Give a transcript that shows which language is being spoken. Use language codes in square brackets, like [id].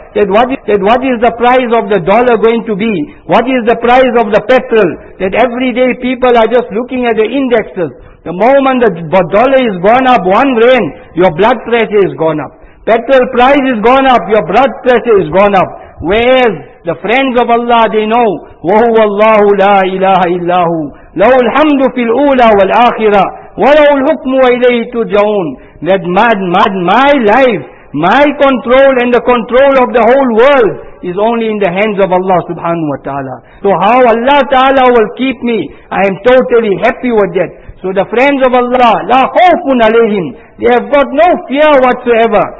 [en] That what is the price of the dollar going to be? What is the price of the petrol? That every day people are just looking at the indexes. The moment the dollar is gone up, one rand, your blood pressure is gone up. Petrol price is gone up, your blood pressure is gone up. Whereas the friends of Allah, they know, [ar] وَهُوَ اللَّهُ لَا إِلَهَ إِلَّهُ لَهُ الْحَمْدُ فِي الْأُولَى وَالْآخِرَةِ وَلَهُ الْحُكْمُ وَإِلَيْهِ تُرْجَعُونَ. [en] That my life, my control and the control of the whole world is only in the hands of Allah subhanahu wa ta'ala. So how Allah ta'ala will keep me, I am totally happy with that. So the friends of Allah, la khawfun alayhim, they have got no fear whatsoever.